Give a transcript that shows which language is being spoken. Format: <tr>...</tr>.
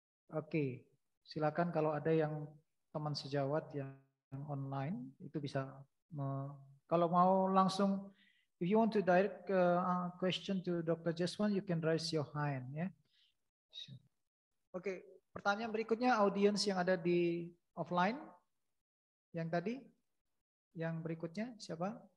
<id>Okay, silakan kalau ada yang teman sejawat yang online itu bisa kalau mau langsung.</id> <en>If you want to direct a question to Dr. Jeswant, you can raise your hand. Yeah. Okay.</en> <id>Pertanyaan berikutnya, audience yang ada di offline, yang tadi, yang berikutnya siapa?</id>